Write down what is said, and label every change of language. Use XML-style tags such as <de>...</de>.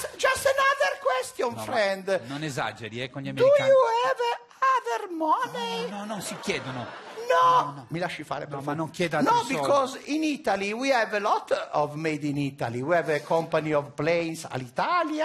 <en>Just another question, friend.</en> <it>Non esageri, con gli americani.</it> <en>Do you have other money?</en> <it>No, si chiedono. No, mi lasci fare, ma non chieda altri soldi.</it> <en>Because in Italy we have a lot of Made in Italy. We have a company of planes all'Italia.</en>